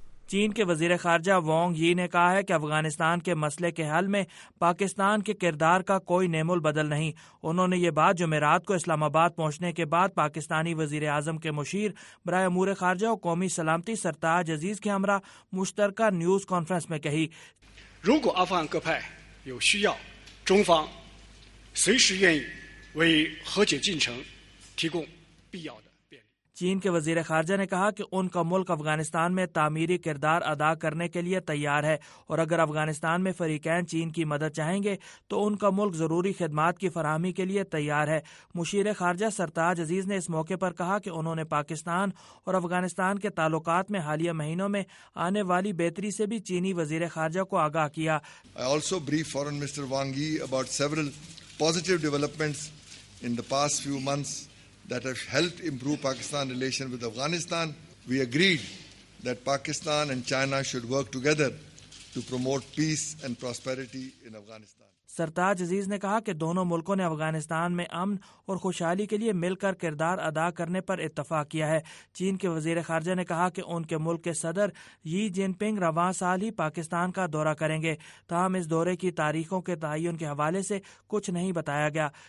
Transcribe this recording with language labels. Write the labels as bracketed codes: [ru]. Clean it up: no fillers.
[ur] چین کے وزیر خارجہ وانگ یی نے کہا ہے کہ افغانستان کے مسئلے کے حل میں پاکستان کے کردار کا کوئی نیم البدل نہیں۔ انہوں نے یہ بات جمعرات کو اسلام آباد پہنچنے کے بعد پاکستانی وزیر اعظم کے مشیر برائے امور خارجہ اور قومی سلامتی سرتاج عزیز کے ہمراہ مشترکہ نیوز کانفرنس میں کہی۔ [zh] 如果阿富汗各派有需要，中方随时愿意为和解进程提供必要的。 [ur] چین کے وزیر خارجہ نے کہا کہ ان کا ملک افغانستان میں تعمیری کردار ادا کرنے کے لیے تیار ہے اور اگر افغانستان میں فریقین چین کی مدد چاہیں گے تو ان کا ملک ضروری خدمات کی فراہمی کے لیے تیار ہے۔ مشیر خارجہ سرتاج عزیز نے اس موقع پر کہا کہ انہوں نے پاکستان اور افغانستان کے تعلقات میں حالیہ مہینوں میں آنے والی بہتری سے بھی چینی وزیر خارجہ کو آگاہ کیا۔ [en] I also briefed foreign minister Wang Yi about several positive developments in the past few months that have helped improve Pakistan relation with Afghanistan. We agreed that Pakistan and China should work together to promote peace and prosperity in Afghanistan. [ur] سرتاج عزیز نے کہا کہ دونوں ملکوں نے افغانستان میں امن اور خوشحالی کے لیے مل کر کردار ادا کرنے پر اتفاق کیا ہے۔ چین کے وزیر خارجہ نے کہا کہ ان کے ملک کے صدر یی جن پنگ رواں سال ہی پاکستان کا دورہ کریں گے، تاہم اس دورے کی تاریخوں کے تعین کے حوالے سے کچھ نہیں بتایا گیا۔